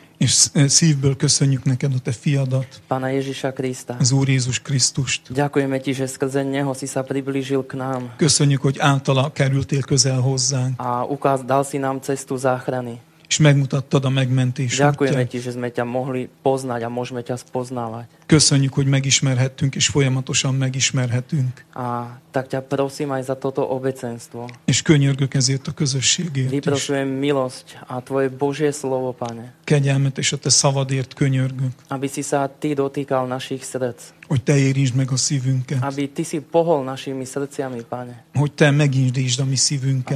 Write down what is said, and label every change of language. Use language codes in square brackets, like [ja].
[hu] és szívből köszönjük neked a te fiadat, [sk] Pána Ježiša Krista, [hu] az Úr Jézus Krisztust. [sk] Ďakujeme ti, že skrze neho si sa priblížil k nám. [hu] Köszönjük, hogy általa kerültél közel hozzánk. [sk] A dal si nám cestu záchrany. [hu] És megmutattad a megmentés útját. [sk] Ďakujeme ti, že sme ťa mohli poznať a môžeme ťa spoznávať. [hu] Köszönjük, hogy megismerhettünk és folyamatosan megismerhetünk. [sk] A tak ťa prosím aj za toto obecenstvo. [hu] És könyörgök ezért a közösségért. [sk] Vyprosujem milosť a tvoje Božie slovo, Pane. [hu] Kegyelmet és a te szavadért könyörgök. [sk] Aby si sa ty dotýkal našich srdc. [hu] Hogy te érintsd meg a szívünket. [sk] Aby ty si pohol našimi srdciami, Pane. [hu] Hogy te megindítsd a mi szívünket.